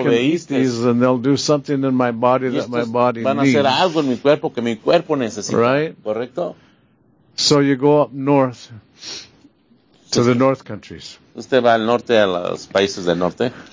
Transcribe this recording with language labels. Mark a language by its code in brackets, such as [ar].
[en] I can eat these and they'll do something in my body that my body [es] van [en] needs. [es] A hacer algo en mi cuerpo que mi cuerpo necesita. [en] Right? [es] ¿Correcto? [en] So you go up north to the north countries. [es] Usted va al norte a los países del norte.